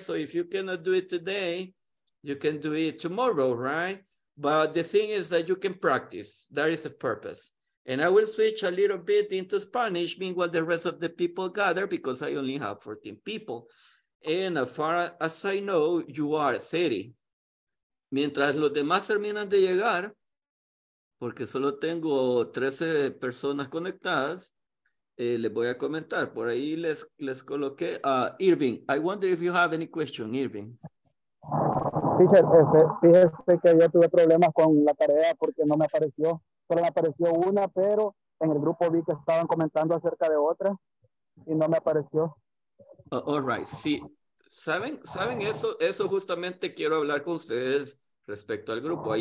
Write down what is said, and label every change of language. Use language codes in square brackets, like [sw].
[en] So if you cannot do it today, you can do it tomorrow, right? But the thing is that you can practice. That is the purpose. And I will switch a little bit into Spanish, meanwhile the rest of the people gather, because I only have 14 people. And as far as I know, you are 30. [es] Mientras los demás terminan de llegar, porque solo tengo 13 personas conectadas, les voy a comentar. Por ahí les coloqué a Irving. [en] I wonder if you have any question, Irving. [es] Teacher, fíjese que yo tuve problemas con la tarea porque no me apareció. Solo me apareció una, pero en el grupo vi que estaban comentando acerca de otra y no me apareció. [en] All right. [es] Sí. ¿Saben eso? Eso justamente quiero hablar con ustedes respecto al grupo.